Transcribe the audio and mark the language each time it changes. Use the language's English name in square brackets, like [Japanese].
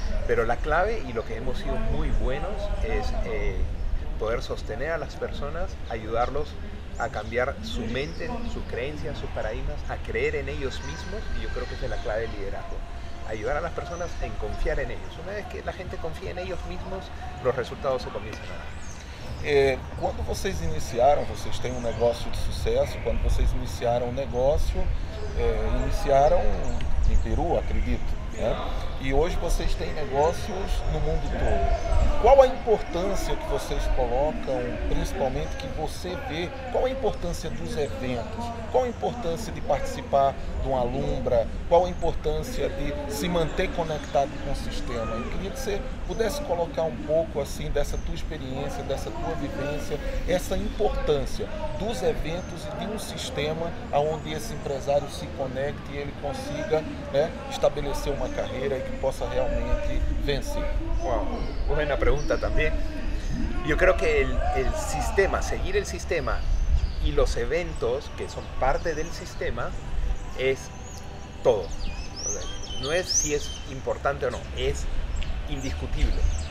[Spanish] Pero la clave y lo que hemos sido muy buenos es poder sostener a las personas, ayudarlos a cambiar su mente, sus creencias, sus paradigmas, a creer en ellos mismos, y yo creo que esa es la clave del liderazgo. Ayudar a las personas en confiar en ellos. Una vez que la gente confía en ellos mismos, los resultados se comienzan a dar. [Portuguese] Quando vocês iniciaram, vocês têm um negócio de sucesso, quando vocês iniciaram o negócio, iniciaram em Peru, acredito, né? E hoje vocês têm negócios no mundo todo. Qual a importância que vocês colocam, principalmente que você vê, qual a importância dos eventos? Qual a importância de participar de uma Alumbra? Qual a importância de se manter conectado com o sistema? Eu queria que você pudesse colocar um pouco assim dessa tua experiência, dessa tua vivência, essa importância dos eventos e de um sistema onde esse empresário se conecte e ele consiga, né, estabelecer uma carreira e que possa realmente vencer. [Spanish] Wow, buena pregunta también. Yo creo que el sistema, seguir el sistema y los eventos que son parte del sistema es todo. O sea, no es si es importante o no, es indiscutible.